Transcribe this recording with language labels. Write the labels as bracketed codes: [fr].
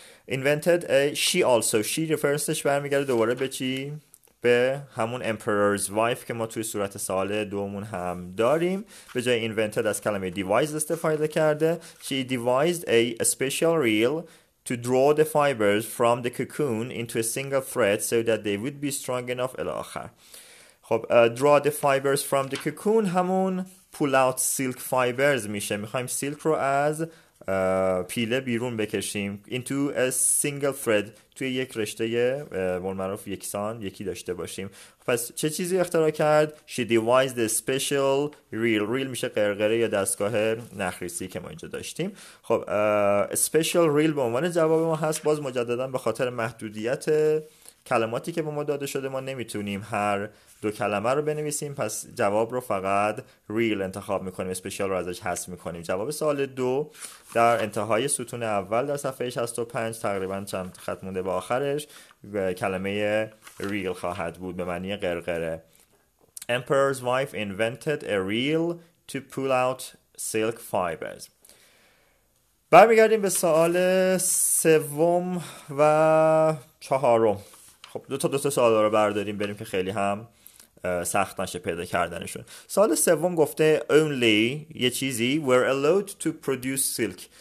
[fa] invented she referenceش برمیگرده دوباره به چی؟ به همون emperor's wife که ما توی صورت سوال دومون هم داریم. به جای invented از کلمه devised استفاده کرده. [en] She devised a special reel to draw the fibers from the cocoon into a single thread so that they would be strong enough الاخر. [fa] خب [en] draw the fibers from the cocoon [fa] همون [en] pull out silk fibers [fa] میشه، میخوایم سیلک رو از پیله بیرون بکشیم، [en] into a single thread [fa] توی یک رشته مرمروف یکسان یکی داشته باشیم. پس چه چیزی اختراع کرد؟ [en] She devised a special reel. [fa] reel میشه قرقره یا دستگاه نخریسی که ما اینجا داشتیم. خب special reel به عنوان جواب ما هست، باز مجددن به خاطر محدودیت کلماتی که به ما داده شده ما نمیتونیم هر دو کلمه رو بنویسیم، پس جواب رو فقط real انتخاب میکنیم، special رو ازش حذف میکنیم. جواب سوال دو در انتهای ستون اول در صفحه 65 تقریبا چند خط مونده به آخرش کلمه real خواهد بود به معنی قرقره. [en] Emperor's wife invented a reel to pull out silk fibers. [fa] برمیگردیم به سوال سوم و چهارم. خب دو تا سوال رو برداریم بریم که خیلی هم سخت نشه پیدا کردنشون. سوال سوم گفته only یه چیزی [en] were allowed to produce silk.